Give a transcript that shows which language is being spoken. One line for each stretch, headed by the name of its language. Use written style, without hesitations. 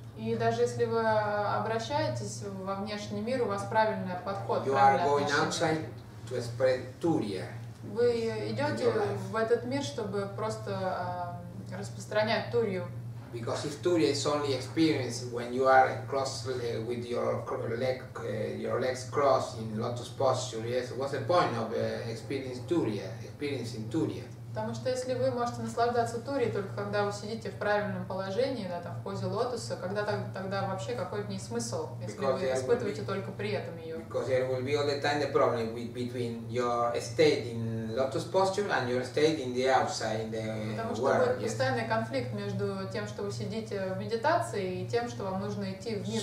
Russian: И даже если вы обращаетесь во внешний мир, у вас правильный подход.
English: You are going outside to spread Turiya.
Russian: Вы идете в этот мир, чтобы просто распространять Турию.
English: Because if Turiya is only experienced when you are crossed with your legs crossed in lotus posture, yes, what's the point of experiencing Turiya?
Russian: Потому что если вы можете наслаждаться Турией только когда вы сидите в правильном положении, да, там, в позе лотоса, когда тогда вообще какой в ней смысл, если
English: because
Russian: вы испытываете только при этом ее?
English: Because there will be all the time the problem between your state in lotus posture and your state in the outside, in the world.
Russian: Потому что будет постоянный конфликт между тем, что вы сидите в медитации, и тем, что вам нужно идти в мир.